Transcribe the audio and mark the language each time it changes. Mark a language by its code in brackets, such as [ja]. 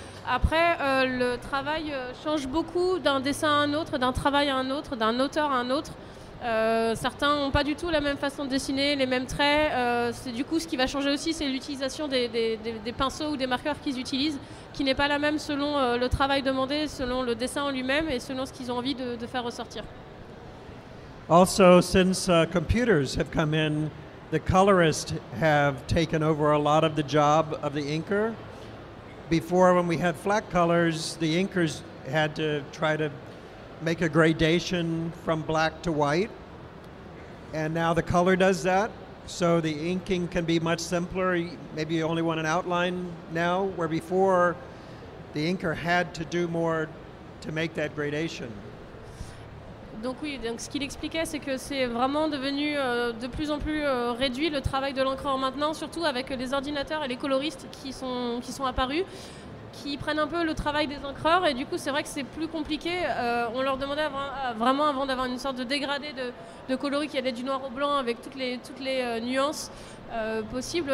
[fr] Après le travail change beaucoup d'un dessin à un autre, d'un travail à un autre, d'un auteur à un autre. Certains n'ont pas du tout la même façon de dessiner, les mêmes traits. C'est du coup ce qui va changer aussi, c'est l'utilisation des pinceaux ou des marqueurs qu'ils utilisent, qui n'est pas la même selon le travail demandé, selon le dessin en lui-même et selon ce qu'ils ont envie de faire ressortir. [en] Also, since computers have come in, the colorists have taken over a lot of the job of the inker. Before, when we had flat colors, the inkers had to try to make a gradation from black to white, and now the color does that, so the inking can be much simpler. Maybe you only want an outline now, where before the inker had to do more to make that gradation. [fr] Donc oui, donc ce qu'il expliquait, c'est que c'est vraiment devenu de plus en plus réduit le travail de l'encreur maintenant, surtout avec les ordinateurs et les coloristes qui sont apparus, qui prennent un peu le travail des encreurs, et du coup c'est vrai que c'est plus compliqué. On leur demandait avant d'avoir une sorte de dégradé de coloris qui allait du noir au blanc avec toutes les nuances possibles.